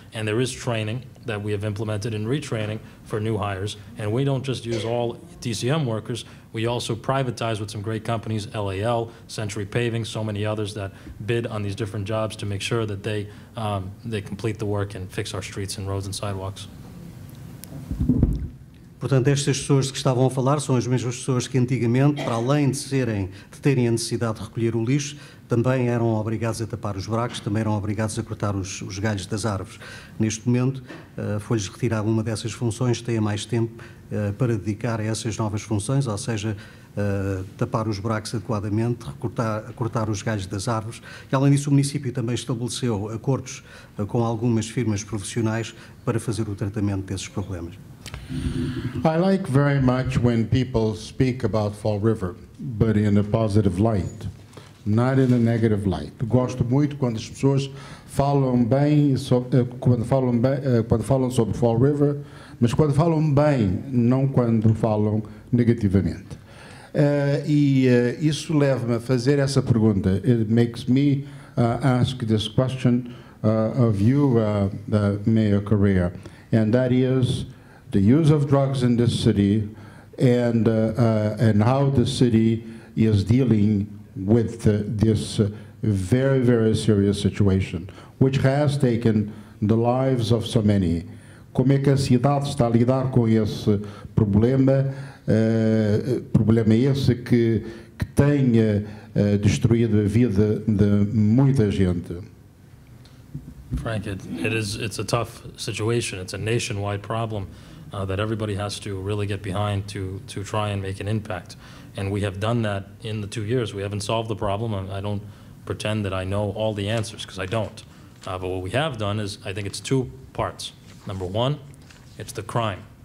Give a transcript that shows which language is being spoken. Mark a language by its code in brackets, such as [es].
[en] And there is training that we have implemented and retraining for new hires. And we don't just use all DCM workers. We also privatize with some great companies, LAL, Century Paving, so many others that bid on these different jobs to make sure that they complete the work and fix our streets and roads and sidewalks. [pt] Portanto, estas pessoas que estavam a falar são as mesmas pessoas que antigamente, para além de serem, de terem a necessidade de recolher o lixo, também eram obrigados a tapar os buracos, também eram obrigados a cortar os galhos das árvores. Neste momento, foi-lhes retirada uma dessas funções, têm mais tempo para dedicar a essas novas funções, ou seja, tapar os buracos adequadamente, cortar os galhos das árvores. E, além disso, o município também estabeleceu acordos com algumas firmas profissionais para fazer o tratamento desses problemas. [en] I like very much when people speak about Fall River, but in a positive light, not in a negative light. [pt] Gosto muito quando as pessoas falam bem quando falam sobre Fall River, mas quando falam bem, não quando falam negativamente. Isso leva-me a fazer essa pergunta. [en] It makes me ask this question of you, Mayor Correa, and that is the use of drugs in this city and how the city is dealing with this very, very serious situation, which has taken the lives of so many. [pt] Como é que a cidade está a lidar com esse problema, problema esse que tem destruído a vida de muita gente? [en] Frank, it's a tough situation. It's a nationwide problem that everybody has to really get behind to try and make an impact. And we have done that in the 2 years. We haven't solved the problem. I don't pretend that I know all the answers, because I don't. But what we have done is, I think it's two parts. Number one, it's the crime.